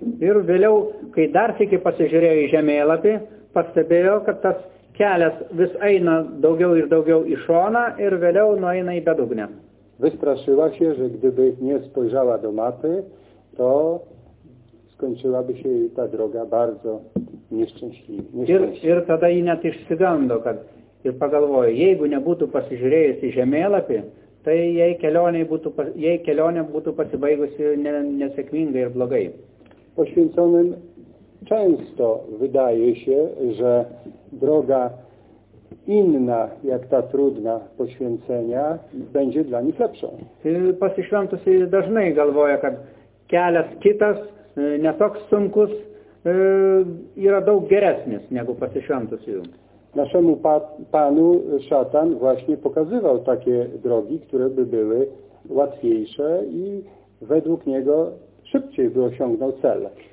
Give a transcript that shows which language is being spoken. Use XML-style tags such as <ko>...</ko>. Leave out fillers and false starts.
<lt>Ir vėliau, kai dar tikai pasižiūrėjo į žemėlapį, pastebėjo, kad tas kelias vis eina daugiau ir daugiau į šoną ir vėliau nueina į bedugnę.</lt> <pl>Wystraszyła się, że gdyby nie spojrzała do mapy, to skończyłaby się ta droga bardzo nieszczęśliwie.</pl> <lt>Ir tada ji net išsigando, kad ir pagalvojo, jeigu nebūtų pasižiūrėjusi žemėlapį, tai jei kelionė būtų pasibaigusi nesėkmingai ir blogai.</lt> <pl>Poświęconym często wydaje się, że droga inna, jak ta trudna poświęcenia, będzie dla nich lepsza.</pl> <lt>Pasišventusi dažnai galvoja, kad kelias kitas, ne toks sunkus, yra daug geresnis negu pasišventusiųjų.</lt> <pl>Naszemu panu szatan właśnie pokazywał takie drogi, które by były łatwiejsze i według niego szybciej by osiągnął cel.</pl>